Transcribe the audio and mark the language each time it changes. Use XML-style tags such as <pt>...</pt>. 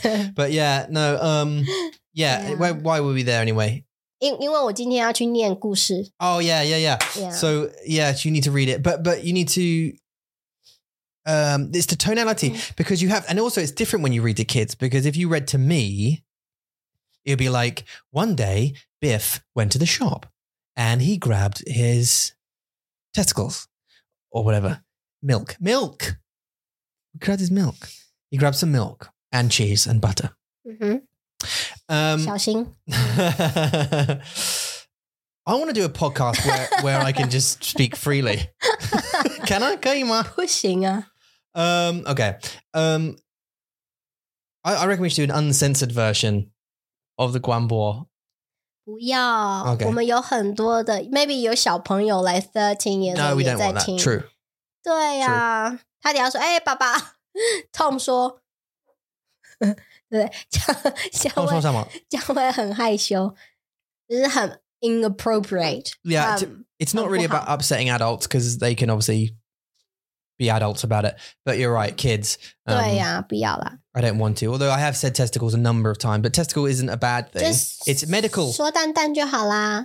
<en>But yeah, no, why were we there anyway?</en> <zh>因为我今天要去念故事。</zh> <en>Oh, yeah. So, yeah, you need to read it. But you need to, it's the tonality. Because you have, and also it's different when you read to kids. Because if you read to me... It'd be like, one day, Biff went to the shop and he grabbed his testicles or whatever. Milk. He grabbed his milk. He grabbed some milk and cheese and butter.</en> <zh>Mm-hmm. 小心</zh> <en>I want to do a podcast where I can just speak freely. Can I?</en> <zh>可以吗不行啊</zh> <en>Okay. I reckon we should do an uncensored version. Of the 广播，</en> <zh>不要。</zh> <en>Okay.</en> <zh>我们有很多的 ，maybe 有小朋友来</zh> <en>13 years old</en> <zh>也在听。</zh> <en>True，</en> <zh>对呀、啊，他等下说：“哎、欸，爸爸 ，Tom 说，对，姜伟什么？姜伟很害羞，就是很 inappropriate。</zh> <en>Yeah, it's not really about upsetting adults because they can obviously be adults about it. But you're right, kids. 对呀、啊，不要啦。 I don't want to, although I have said testicles a number of times, but testicle isn't a bad thing. It's medical.</en> <zh>说蛋蛋就好啦。</zh>